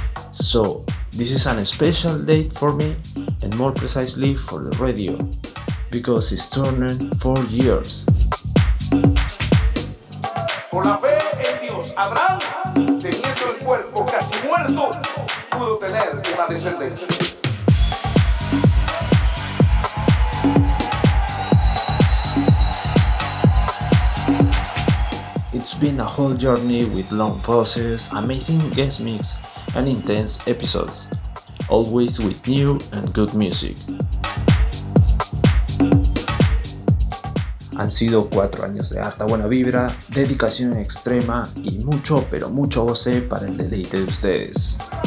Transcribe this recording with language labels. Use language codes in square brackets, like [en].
[en] So, this is a special date for me, and more precisely for the radio, because it's turning 4 years. [es] Por la fe en Dios, Abraham, teniendo el cuerpo casi muerto, pudo tener una descendencia. [en] It's been a whole journey with long pauses, amazing guest mix, and intense episodes, always with new and good music. [es] Han sido 4 años de harta buena vibra, dedicación extrema y mucho, pero mucho goce para el deleite de ustedes.